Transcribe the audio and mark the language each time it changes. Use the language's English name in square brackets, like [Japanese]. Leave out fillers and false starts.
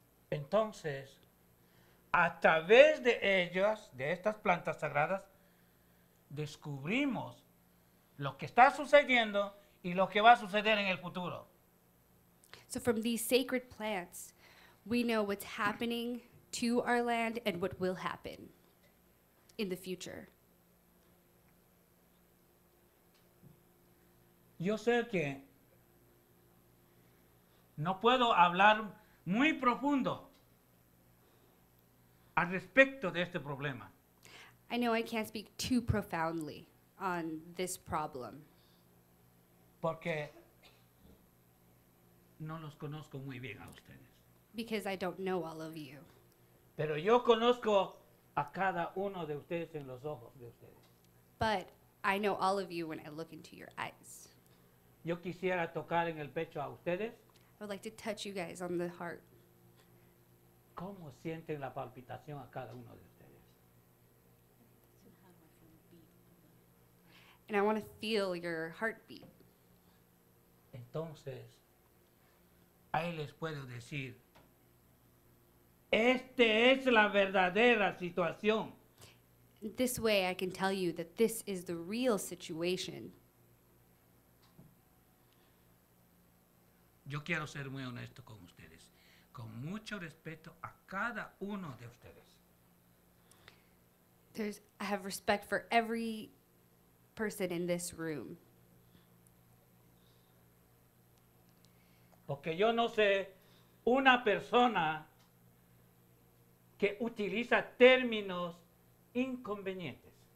[Spanish] Entonces, a través de ellas, de estas plantas sagradas, descubrimos lo que está sucediendo y lo que va a suceder en el futuro. [English] So from these sacred plants, we know what's happening to our land and what will happen in the future. [Spanish] Yo sé que no puedo hablar muy profundo al respecto de este problema. [English] I know I can't speak too profoundly on this problem. [Spanish] Porque no los conozco muy bien a ustedes. [English] Because I don't know all of you. [Spanish] Pero yo conozco a cada uno de ustedes en los ojos de ustedes. [English] But I know all of you when I look into your eyes. [Spanish] Yo quisiera tocar en el pecho a ustedes. [English] I would like to touch you guys on the heart. [Spanish] ¿Cómo sienten la palpitación a cada uno de ustedes? [English] And I want to feel your heartbeat. [Spanish] Entonces, ahí les puedo decir, esta es la verdadera situación. [English] This way I can tell you that this is the real situation. [Spanish] Yo quiero ser muy honesto con ustedes. Con mucho respeto a cada uno de ustedes. [English] I have respect for every person in this room. [Spanish] Porque yo no sé una persona que utiliza términos inconvenientes.